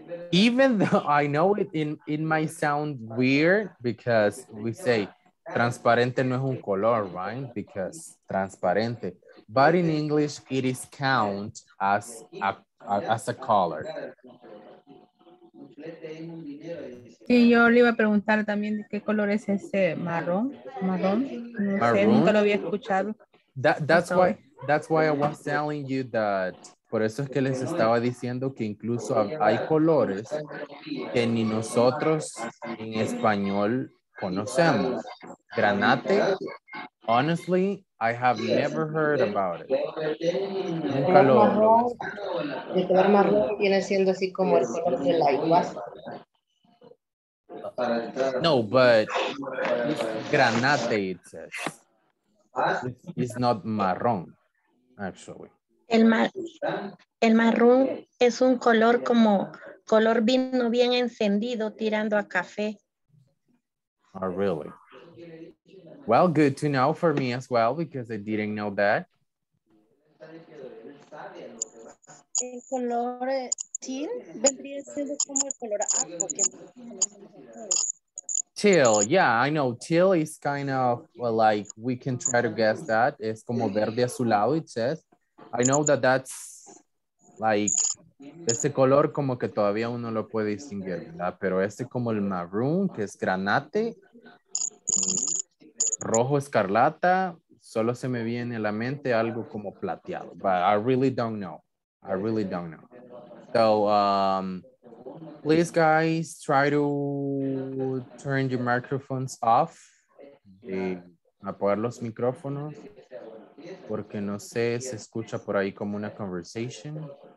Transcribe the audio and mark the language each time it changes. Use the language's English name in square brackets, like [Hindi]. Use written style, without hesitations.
[English] Even though I know it might sound weird because we say [Spanish] transparente no es un color, [English] right? Because transparente. But in English, it is count as a color. [Spanish] Sí, yo le iba a preguntar también qué color es ese marrón. Marrón. No marrón. Sé, nunca lo había escuchado. [English] That's why I was telling you that. [Spanish] Por eso es que les estaba diciendo que incluso hay colores que ni nosotros en español conocemos. [English] Granate, honestly, I have never heard about it. [Spanish] Un color. El color marrón viene siendo así como el color de la iguaza. [English] No, but granate, it says. It's not marrón, actually. [Spanish] El marrón es un color como color vino bien encendido tirando a café. [English] Oh, really? Well, good to know for me as well, because I didn't know that. [Spanish] El color teal vendría siendo como el color ajo. [English] Teal, yeah, I know. Teal is kind of, well, like, we can try to guess that. [Spanish] Es como verde azulado, [English] it says. I know that's like, [Spanish] ese color como que todavía uno lo puede distinguir, ¿verdad? Pero ese como el maroon, que es granate, rojo escarlata, solo se me viene a la mente algo como plateado. [English] But I really don't know. I really don't know. So, please guys, try to turn your microphones off. [Spanish] Apagar los micrófonos. Porque no sé, se escucha por ahí como una conversation.